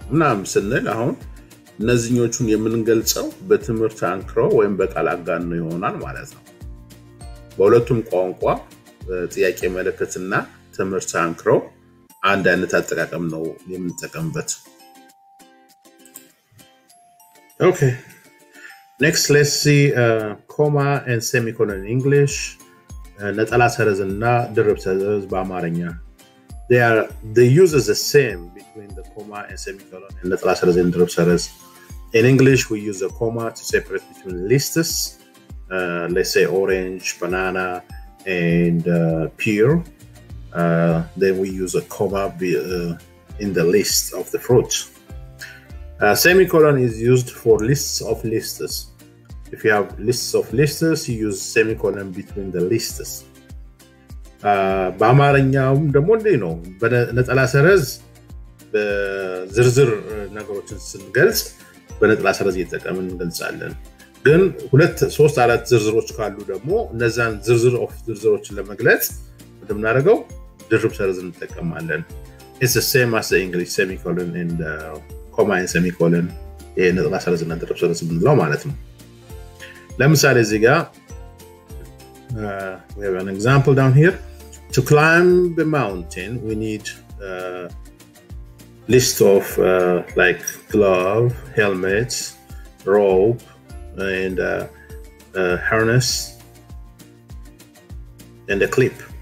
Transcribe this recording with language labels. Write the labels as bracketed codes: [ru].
[am] እናም ስንል አሁን እነዚህኞቹን የምንገልጸው በትምህርት አንክሮ ወይም በቃል አጋኖ ይሆናል ማለት ነው። በሁለቱም ቋንቋ ጥያቄ መልእክትና ትምህርት አንክሮ አንድ አይነት አጠቃቀም ነው የምንጠቀምበት። ኦኬ [en] Next, let's see comma and semicolon in English. [am] ነጠላ ሰረዝ እና ድርብ ሰረዝ በአማርኛ. [en] They use the same between the comma and semicolon and [am] ነጠላ ሰረዝ እና ድርብ ሰረዝ. [en] In English, we use the comma to separate between lists. Let's say orange, banana, and pear. Then we use a comma in the list of the fruits. Semicolon is used for lists of lists. If you have lists of lists, you use semicolon between the lists. [am] በአማርኛውም ደግሞ እንደ ነው በነጠላ ሰረዝ በዝርዝር ነገሮችን ስንገልጽ በነጠላ ሰረዝ እየተጠቀምን እንገልጻለን። ግን ሁለት ሶስት አራት ዝርዝሮች ካሉ ደግሞ እነዛን ዝርዝር ኦፍ ዝርዝሮችን ለመግለጽ እንደምናደርገው ድርብ ሰረዝን እንጠቀማለን። [en] It's the same as the English semicolon and comma and semicolon. [am] የነጠላ ሰረዝ እና ድርብ ሰረዝ ምንለው ማለት ነው። ለምሳሌ እዚህ ጋር [en] we have an example down here. To climb the mountain we need list of like glove, helmet, rope and harness and a clip.